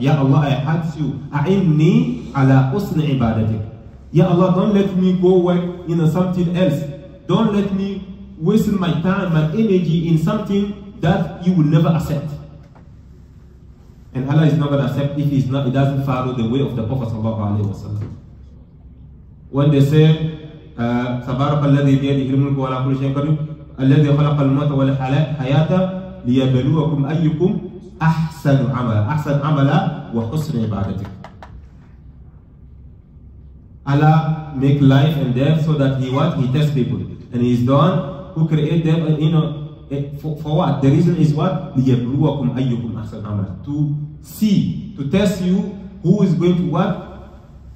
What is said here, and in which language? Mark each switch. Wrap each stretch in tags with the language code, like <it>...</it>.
<en>Ya Allah, I ask you,</en> <ar>a'inni ala husni ibadatik.</ar> <en>Ya Allah, don't let me go work in something else. Don't let me waste my time, my energy in something that you will never accept. And Allah is not going to accept if he's not, he doesn't follow the way of the Prophet sallallahu alayhi wa sallam. When they say,</en> <ar>تبارك الذي بيده الملك وعلى كل شيء قدير الذي خلق الموت والحياة ليبلوكم أيكم أحسن عملا أحسن عملا وحسن عبادتك.</ar> <en>Allah make life and death so that he what? He tests people. And he's done who created them, you know, for what? The reason is what?</en> <ar>ليبلوكم أيكم أحسن عملا.</ar> <en>To see, to test you who is going to what?</en>